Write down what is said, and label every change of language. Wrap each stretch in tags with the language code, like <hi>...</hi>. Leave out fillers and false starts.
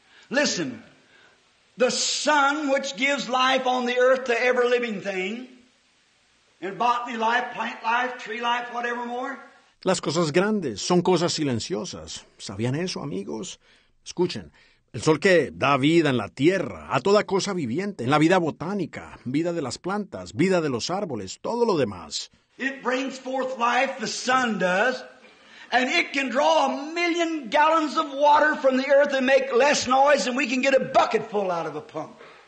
<en>Listen, the sun which gives life on the earth to every living thing, and bodily life, plant life, tree life, whatever more.</en> <es>Las cosas grandes son cosas silenciosas. ¿Sabían eso, amigos? Escuchen, el sol que da vida en la tierra, a toda cosa viviente, en la vida botánica, vida de las plantas, vida de los árboles, todo lo demás.</es> <en>It brings forth life, the sun does, and it can draw a million gallons of water from the earth and make less noise than we can get a bucket full out of a pump.</en>